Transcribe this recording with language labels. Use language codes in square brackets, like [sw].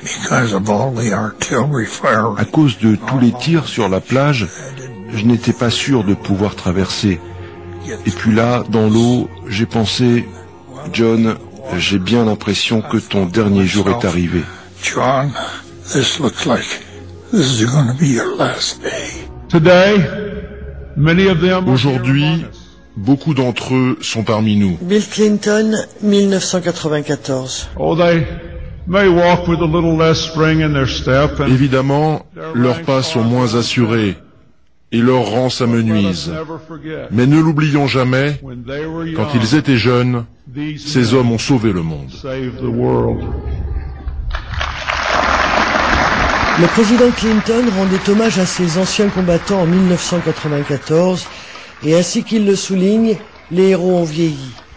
[fr] À cause de tous les tirs sur la plage, je n'étais pas sûr de pouvoir traverser. Et puis là, dans l'eau, j'ai pensé, John, j'ai bien l'impression que ton dernier jour est arrivé. [en] John, this looks like this is going to be your last day. Today, many of them. [fr] Aujourd'hui, beaucoup d'entre eux sont parmi nous. Bill Clinton, 1994. [en] Oh, may walk with a little less spring in their step. [fr] Évidemment, leurs pas sont moins assurés et leurs rangs s'amenuisent. Mais ne l'oublions jamais, quand ils étaient jeunes, ces hommes ont sauvé le monde. Le président Clinton rendait hommage à ses anciens combattants en 1994 et ainsi qu'il le souligne, les héros ont vieilli.